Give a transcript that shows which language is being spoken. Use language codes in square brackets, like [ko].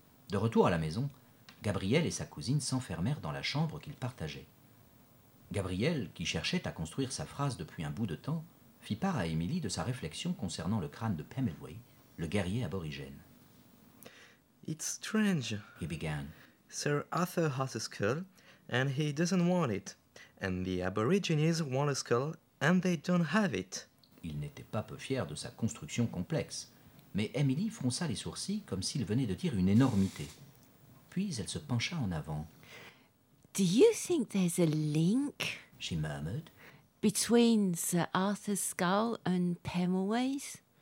[fr] De retour à la maison, Gabrielle et sa cousine s'enfermèrent dans la chambre qu'ils partageaient. Gabrielle, qui cherchait à construire sa phrase depuis un bout de temps, fit part à Émilie de sa réflexion concernant le crâne de Pemulwuy, le guerrier aborigène. [en] It's strange, he began. Sir Arthur has a skull, and he doesn't want it. And the aborigines want a skull, and they don't have it. [fr] Il n'était pas peu fier de sa construction complexe, mais Émilie fronça les sourcils comme s'il venait de dire une énormité. Puis elle se pencha en avant. [en] Do you think there's a link, she murmured, between Sir Arthur's skull and Pemulwuy's?